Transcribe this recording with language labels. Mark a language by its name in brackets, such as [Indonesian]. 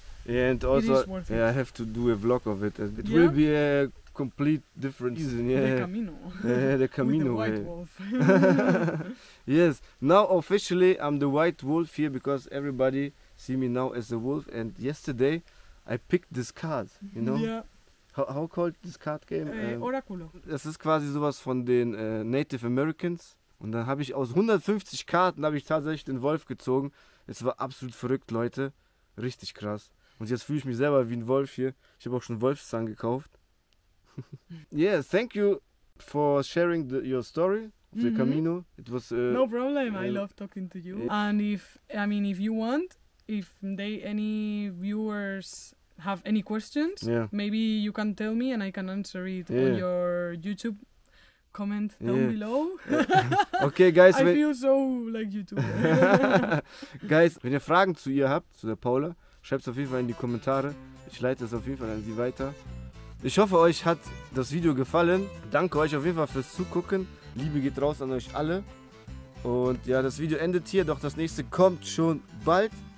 [English] Yeah, and also I have to do a vlog of it. It will be a complete different season. Yeah. The Camino. The Camino. With the white wolf. Yes. Now officially I'm the white wolf here, because everybody see me now as a wolf. And yesterday I picked this card, you know? Yeah. How called this card game? Oraculo. [German] Das ist quasi sowas von den Native Americans. Und dann habe ich aus 150 Karten habe ich tatsächlich den Wolf gezogen. Es war absolut verrückt, Leute. Richtig krass. Und jetzt fühle ich mich selber wie ein Wolf hier. Ich habe auch schon Wolfszahn gekauft. [English] Yeah, thank you for sharing your story. The Camino. It was no problem. I love talking to you. And if any viewers have any questions, maybe you can tell me and I can answer it on your YouTube comment down below. Okay, guys. I feel so like YouTube. [German] Guys, wenn ihr Fragen zu ihr habt, zu der Paula, schreibt es auf jeden Fall in die Kommentare. Ich leite es auf jeden Fall an sie weiter. Ich hoffe, euch hat das Video gefallen. Danke euch auf jeden Fall fürs Zugucken. Liebe geht raus an euch alle. Und ja, das Video endet hier, doch das nächste kommt schon bald.